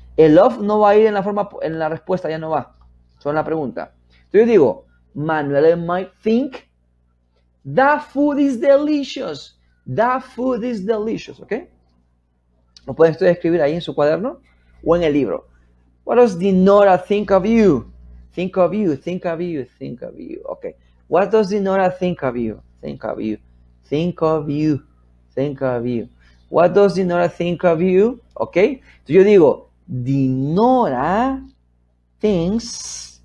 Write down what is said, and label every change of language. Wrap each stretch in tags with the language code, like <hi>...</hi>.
<es>El of no va a ir en la forma, en la respuesta, ya no va. Solo en la pregunta. Entonces yo digo,</es> <en>Manuel and Mike think, that food is delicious. That food is delicious, ¿ok?</en> <es>Lo pueden ustedes escribir ahí en su cuaderno o en el libro.</es> <en>What does Dinora think of you? Think of you, think of you, think of you. Ok. What does Dinora think of you? Think of you, think of you, think of you. What does Dinora think of you? Ok.</en> <es>Entonces yo digo,</es> <en>Dinora thinks.</en>